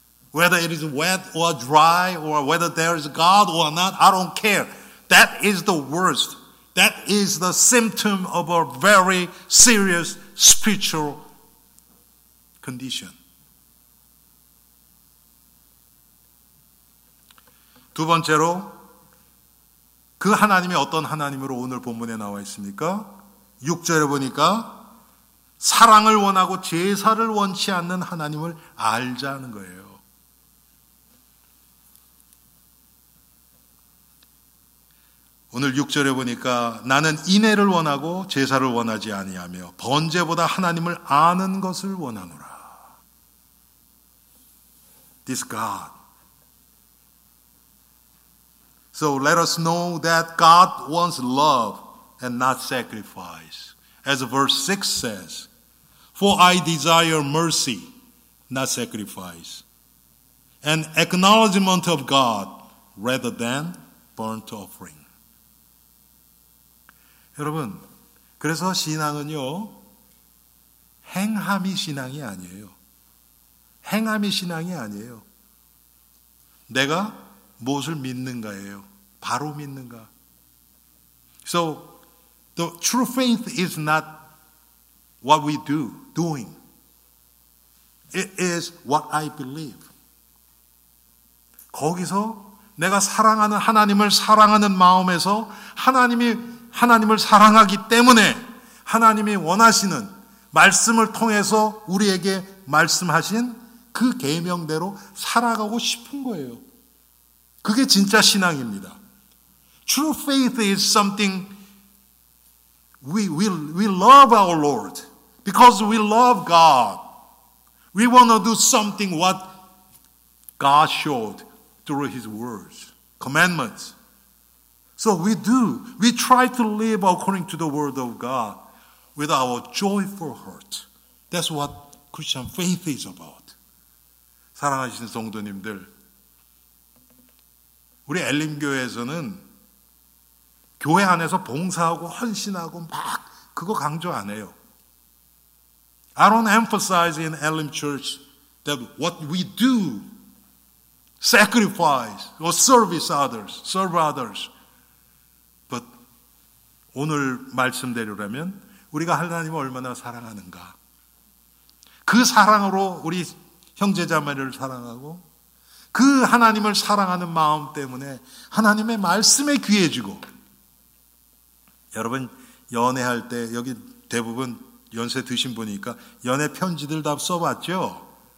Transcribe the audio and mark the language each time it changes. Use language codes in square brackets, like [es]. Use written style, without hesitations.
[en] Whether it is wet or dry or whether there is God or not, I don't care. That is the worst. That is the symptom of a very serious spiritual condition. [ko] 두 번째로 그 하나님이 어떤 하나님으로 오늘 본문에 나와 있습니까? 6절에 보니까 사랑을 원하고 제사를 원치 않는 하나님을 알자는 거예요. 오늘 6절에 보니까 나는 인애를 원하고 제사를 원하지 아니하며 번제보다 하나님을 아는 것을 원하노라. [en] This God. So let us know that God wants love and not sacrifice. As verse 6 says, For I desire mercy, not sacrifice, and acknowledgement of God rather than burnt offering. [ko] 여러분, 그래서 신앙은요, 행함이 신앙이 아니에요. 행함이 신앙이 아니에요. 내가 무엇을 믿는가예요. 바로 믿는가. [en] So, The true faith is not what we do, doing. It is what I believe. [ko] 거기서 내가 사랑하는 하나님을 사랑하는 마음에서 하나님이 하나님을 사랑하기 때문에 하나님이 원하시는 말씀을 통해서 우리에게 말씀하신 그 계명대로 살아가고 싶은 거예요. 그게 진짜 신앙입니다. [en] True faith is something we love our Lord because we love God. We want to do something what God showed through His words, commandments. So we do. We try to live according to the word of God with our joyful heart. That's what Christian faith is about. [ko] 사랑하시는 성도님들, 우리 엘림교회에서는 교회 안에서 봉사하고 헌신하고 막 그거 강조 안 해요. [en] I don't emphasize in Elim Church that what we do, sacrifice or serve others. But [ko] 오늘 말씀대로라면 우리가 하나님을 얼마나 사랑하는가. 그 사랑으로 우리 형제자매를 사랑하고 그 하나님을 사랑하는 마음 때문에 하나님의 말씀에 귀해지고 여러분 연애할 때 여기 대부분 연세 드신 분이니까 연애 편지들 다 써봤죠?